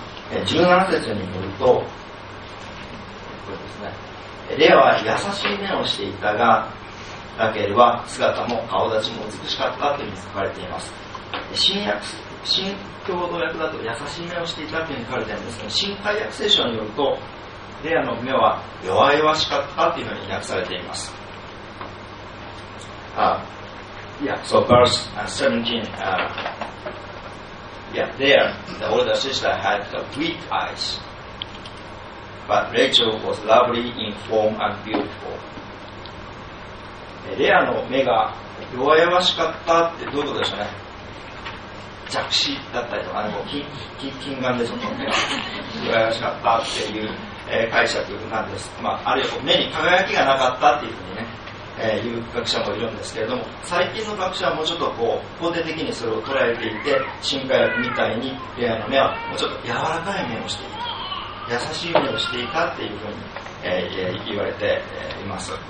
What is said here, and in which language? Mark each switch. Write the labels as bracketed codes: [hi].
[ja] 17節によるとこれです、ね、レアは優しい目をしていたが、ラケルは姿も顔立ちも美しかったというふうに書かれています。新共同訳だと優しい目をしていたというふうに書かれているんですが、新改訳聖書によるとレアの目は弱々しかったというふうに訳されています。 [en] So verse 17, there the older sister had the weak eyes, but Rachel was lovely in form and beautiful. [ja] レアの目が弱々しかったってどういうことでしょうね。弱視だったりとか、ね、金眼でその目が弱々しかったっていう解釈なんです。まあ、あるいは目に輝きがなかったっていうふうにね、言う学者もいるんですけれども、最近の学者はもうちょっとこう肯定的にそれを捉えていて、進化薬みたいにレアの目はもうちょっと柔らかい目をしていた、優しい目をしていたっていうふうに、言われています。